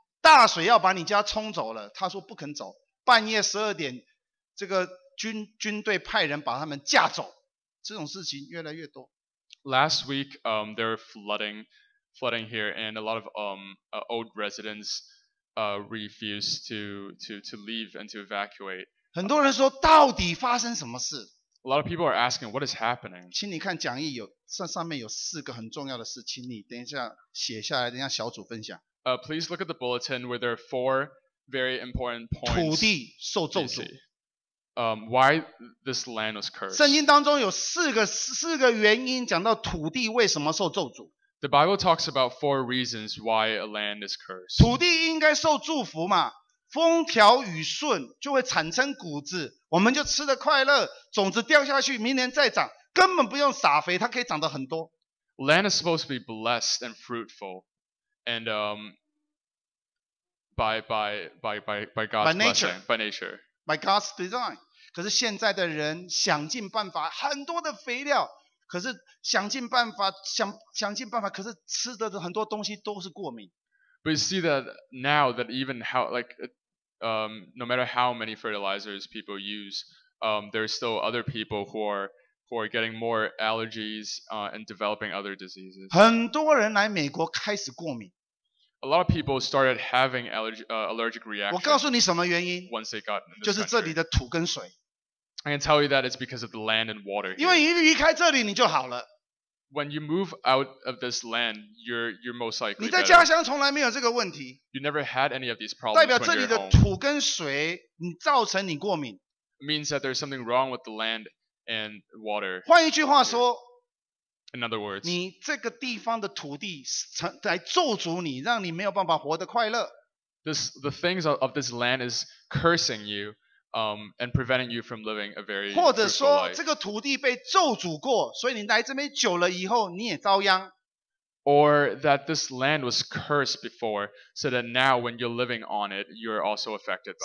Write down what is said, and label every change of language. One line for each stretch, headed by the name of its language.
Chinese: 大水要把你家冲走了，他说不肯走。半夜12点，这个军队派人把他们架走。这种事情越来越多。
English: Last week, there were flooding here, and a lot of old residents refused to leave and to evacuate.
Chinese: 很多人说到底发生什么事
English: ？A lot of people are asking what is happening.
Chinese: 请你看讲义有上面有四个很重要的事，请你等一下写下来，等一下小组分享。
English: Please look at the bulletin where there are four very important points.
Chinese: 土地受咒诅。
English: Why this land was cursed?
Chinese: 圣经当中有四个原因讲到土地为什么受咒诅。
English: The Bible talks about four reasons why a land is cursed.
Chinese: 土地应该受祝福嘛，风调雨顺就会产生谷子，我们就吃得快乐。种子掉下去，明年再长，根本不用撒肥，它可以长得很多。
English: Land is supposed to be blessed and fruitful, and by God's blessing, by nature, by God's design.
Chinese: 可是现在的人想尽办法，很多的肥料，可是想尽办法，可是吃的很多东西都是过敏。
English: But you see that now that even how like, no matter how many fertilizers people use, there are still other people who are getting more allergies and developing other diseases.
Chinese: 很多人来美国开始过敏。
English: A lot of people started having allergic reactions.
Chinese: 我告诉你什么原因？
English: Once they got in this country.
Chinese: 就是这里的土跟水。
English: I can tell you that it's because of the land and water.
Chinese: 因为一离开这里，你就好了。
English: When you move out of this land, you're most likely.
Chinese: 你在家乡从来没有这个问题。
English: You never had any of these problems.
Chinese: 代表这里的土跟水，你造成你过敏。
English: It means that there's something wrong with the land and water.
Chinese: 换一句话说。
English: In other words.
Chinese: 你这个地方的土地来咒诅你，让你没有办法活得快乐。
English: The things of this land is cursing you. And preventing you from living a very
Chinese: 或者说这个土地被咒诅过，所以你来这边久了以后你也遭殃。
English: Or that this land was cursed before, so that now when you're living on it, you're also affected by it.